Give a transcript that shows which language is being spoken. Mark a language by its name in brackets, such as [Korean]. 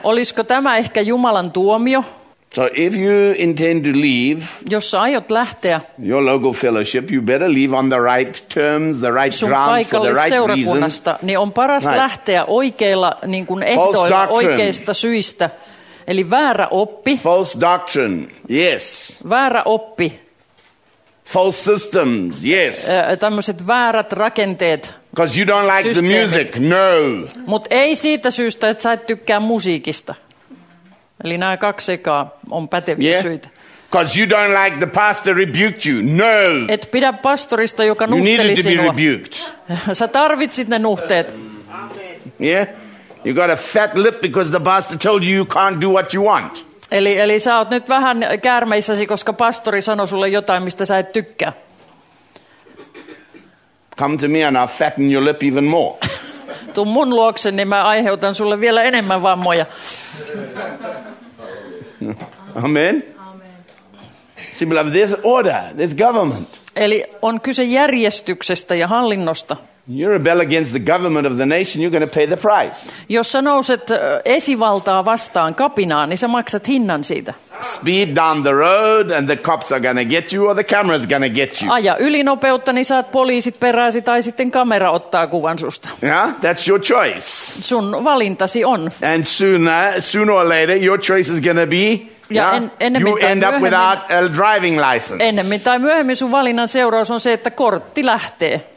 [Finnish] Olisiko tämä ehkä Jumalan tuomio? [English] So if you intend to leave, [Finnish] jos sä aiot lähteä, [English] your local fellowship, you better leave on the right terms, the right grounds, for the right reasons. [Finnish] Niin on paras right. Lähteä oikeilla niin kuin ehdoilla, oikeista syistä. Eli väärä oppi. [English] False doctrine. Yes. [Finnish] Väärä oppi. [English] False systems. Yes. [Finnish] Tämmöiset väärät rakenteet. [English] Because you don't like [Finnish] systeemit. [English] The music, no. [Finnish] Mut ei siitä syystä, että sä et tykkää musiikista. Eli nämä kaksi sekaa on päteviä [English] yeah. [Finnish] Syitä. [English] Because you don't like the pastor rebuked you, no. [Finnish] Et pidä pastorista, joka nuhteli sinua. [English] You needed to be rebuked. [Finnish] Sä tarvitsit ne nuhteet. [English] Amen. Yeah? You got a fat lip because the pastor told you you can't do what you want. [Finnish] Eli sä oot nyt vähän käärmeissäsi, koska pastori sanoi sulle jotain, mistä sä et tykkää. [English] Come to me and I'll fatten your lip even more. [Finnish] Tuu mun luokse, niin mä aiheutan sulle vielä enemmän vammoja. [English] Amen. See, beloved, there's order, there's government. [Finnish] Eli on kyse järjestyksestä ja hallinnosta. [English] You rebel against the government of the nation, you're going to pay the price. [Finnish] Jos sä nouset esivaltaa vastaan kapinaan, niin sä maksat hinnan siitä. [English] Speed down the road and the cops are going to get you or the camera's going to get you. [Finnish] Aja ylinopeutta, niin saat poliisit peräsi tai sitten kamera ottaa kuvan susta. [English] Yeah, that's your choice. [Finnish] Sun valintasi on. [English] And sooner or later your choice is going to be you end up without a driving license. [Finnish] Ennemmin tai myöhemmin sun valinnan seuraus on se, että kortti lähtee.